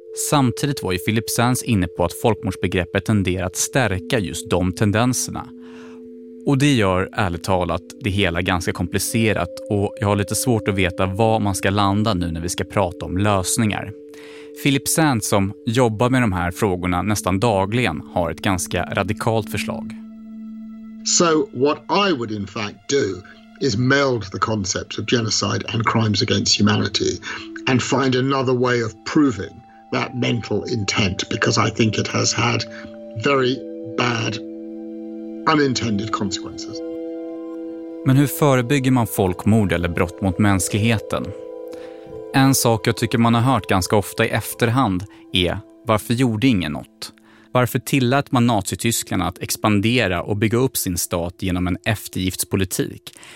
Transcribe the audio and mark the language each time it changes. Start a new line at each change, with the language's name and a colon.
Swedish: Samtidigt var ju Philip Sands inne på att folkmordsbegreppet tenderar att stärka just de tendenserna. Och det gör, ärligt talat, det hela ganska komplicerat, och jag har lite svårt att veta var man ska landa nu när vi ska prata om lösningar. Philip Sands, som jobbar med de här frågorna nästan dagligen, har ett ganska radikalt förslag.
English: So what I would in fact do is meld the concept of genocide and crimes against humanity and find another way of proving that mental intent, because I think it has had very bad unintended consequences.
Swedish: Men hur förebygger man folkmord eller brott mot mänskligheten? En sak jag tycker man har hört ganska ofta i efterhand är: varför gjorde ingen något? Varför tillät man Nazityskland att expandera och bygga upp sin stat genom en eftergiftspolitik?